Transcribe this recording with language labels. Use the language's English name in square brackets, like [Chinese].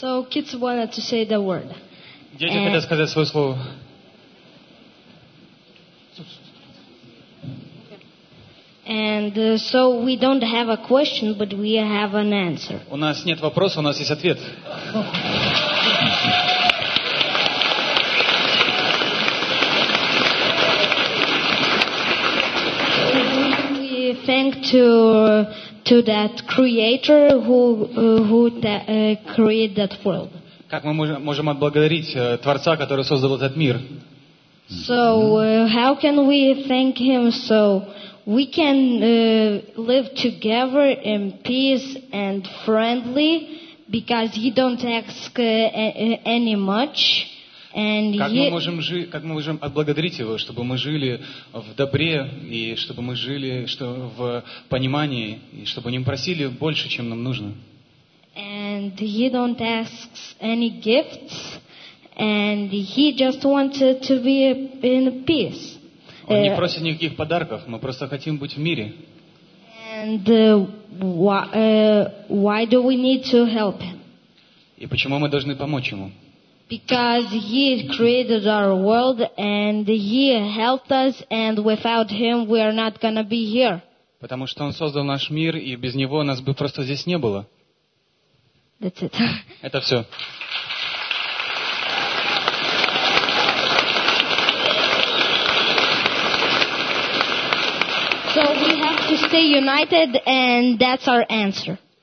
[English] Kids wanted to say the word. [Russian] Дети хотят сказать свое слово. [English] And so we don't have a question, but we have an answer. [Russian] У нас нет вопроса, у нас есть ответ. [English] We thank to that creator who created that world. [Russian] Как мы можем отблагодарить Творца, который создал этот мир? [English] So how can we thank him so we can live together in peace and friendly because he don't ask any much and [Russian] как мы можем отблагодарить его, чтобы мы жили в добре и чтобы мы жили что в понимании и чтобы не просили больше, чем нам нужно. [English] And he don't ask any gifts. And he just wanted to be in peace. [Russian] Он не просит никаких подарков, мы просто хотим быть в мире. [English] And why do we need to help him? [Russian] И почему мы должны помочь ему? [English] Because he created our world and he helped us and without him we are not gonna be here. [Russian] Потому что он создал наш мир и без него нас бы просто здесь не было. [English] That's it. [Russian] Это все. [English] Stay united, and that's our answer.